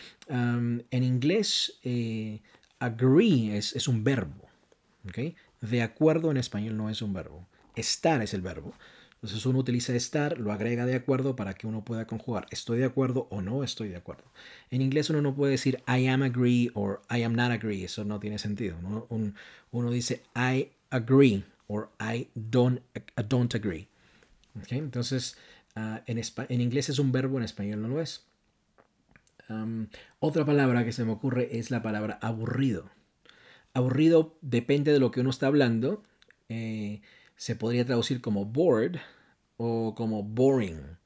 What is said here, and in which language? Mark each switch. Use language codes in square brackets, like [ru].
[es] En inglés, agree es un verbo, ¿okay? De acuerdo en español no es un verbo. Estar es el verbo. Entonces uno utiliza estar, lo agrega de acuerdo para que uno pueda conjugar. ¿Estoy de acuerdo o no estoy de acuerdo? En inglés uno no puede decir [en] I am agree [es] o [en] I am not agree. [es] Eso no tiene sentido, ¿no? Uno dice [en] I agree [es] o [en] I don't agree. [es] ¿Okay? Entonces, en inglés es un verbo, en español no lo es. Otra palabra que se me ocurre es la palabra aburrido. Aburrido depende de lo que uno está hablando. Se podría traducir como bored o como boring.